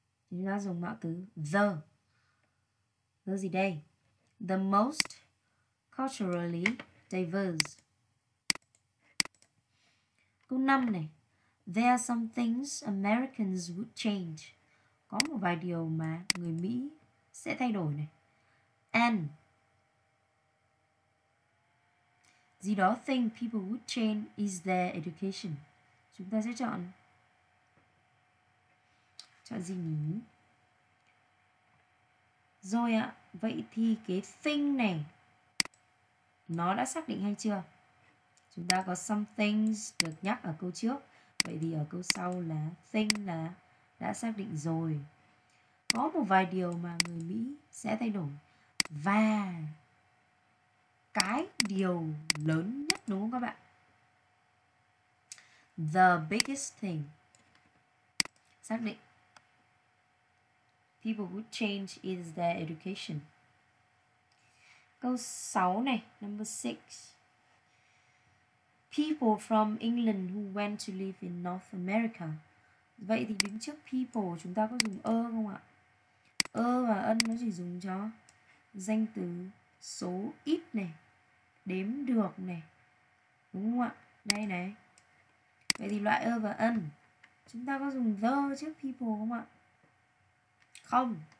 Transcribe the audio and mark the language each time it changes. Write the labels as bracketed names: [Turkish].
[Vietnamese] Chúng ta dùng mạo từ the. The gì đây? [English] The most culturally diverse. [Vietnamese] Câu 5 này. [English] There are some things Americans would change. [Vietnamese] Có một vài điều mà người Mỹ sẽ thay đổi này. [English] And [Vietnamese] gì đó [English] thing people would change is their education. [Vietnamese] Chúng ta sẽ chọn. Chọn gì nhỉ? Rồi ạ, vậy thì cái thing này nó đã xác định hay chưa? Chúng ta có [English] some things [Vietnamese] được nhắc ở câu trước. Vậy thì ở câu sau là thing là đã xác định rồi. Có một vài điều mà người Mỹ sẽ thay đổi. Và cái điều lớn nhất, đúng không các bạn? [English] The biggest thing. [Vietnamese] Xác định. [English] People would change is their education. [Vietnamese] Câu 6 này, [English] number 6. People from England who went to live in North America. [Vietnamese] Vậy thì đứng trước people chúng ta có dùng a không ạ? A và an nó chỉ dùng cho danh từ số ít này, đếm được này. Đúng không ạ? Đây này. Vậy thì loại a và an chúng ta có dùng the trước people không ạ? Không.